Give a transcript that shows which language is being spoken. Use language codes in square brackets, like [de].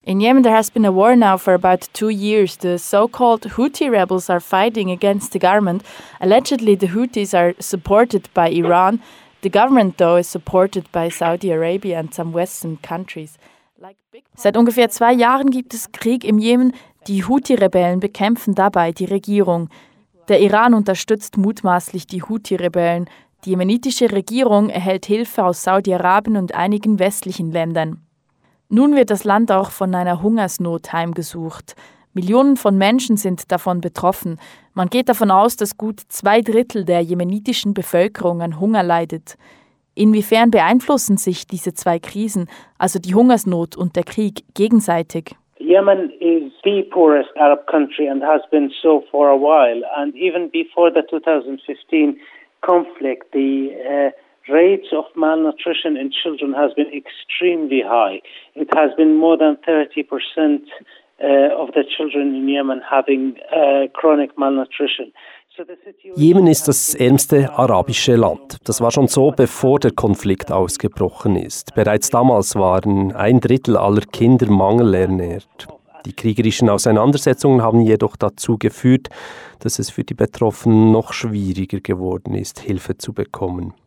[en] In Yemen, there has been a war now for about 2 years. The so-called Houthi rebels are fighting against the government. Allegedly, the Houthis are supported by Iran. The government, though, is supported by Saudi Arabia and some Western countries. [de] Seit ungefähr 2 Jahren gibt es Krieg im Jemen. Die Houthi-Rebellen bekämpfen dabei die Regierung. Der Iran unterstützt mutmaßlich die Houthi-Rebellen. Die jemenitische Regierung erhält Hilfe aus Saudi-Arabien und einigen westlichen Ländern. Nun wird das Land auch von einer Hungersnot heimgesucht. Millionen von Menschen sind davon betroffen. Man geht davon aus, dass gut 2/3 der jemenitischen Bevölkerung an Hunger leidet. Inwiefern beeinflussen sich diese 2 Krisen, also die Hungersnot und der Krieg, gegenseitig? [en] Yemen is the poorest Arab country and has been so for a while. And even before the 2015 conflict, the rates of malnutrition in children has been extremely high. It has been more than 30% of the children in Yemen having chronic malnutrition. [de] Jemen ist das ärmste arabische Land. Das war schon so, bevor der Konflikt ausgebrochen ist. Bereits damals waren 1/3 aller Kinder mangelernährt. Die kriegerischen Auseinandersetzungen haben jedoch dazu geführt, dass es für die Betroffenen noch schwieriger geworden ist, Hilfe zu bekommen.